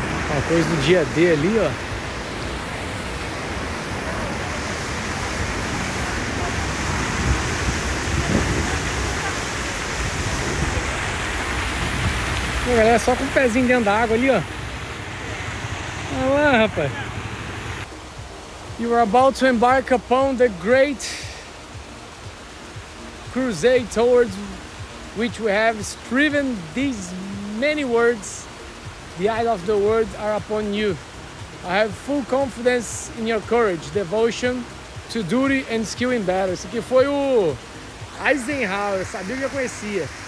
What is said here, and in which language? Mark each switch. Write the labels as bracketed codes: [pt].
[pt] Uma coisa do dia D ali, ó. Pô, galera, só com o pezinho dentro da água ali, ó. Olha lá, rapaz. [en] You are about to embark upon the great crusade towards which we have striven these many words. The eyes of the world are upon you. I have full confidence in your courage, devotion to duty and skill in battle. [pt] Esse aqui foi o Eisenhower, sabia que eu conhecia.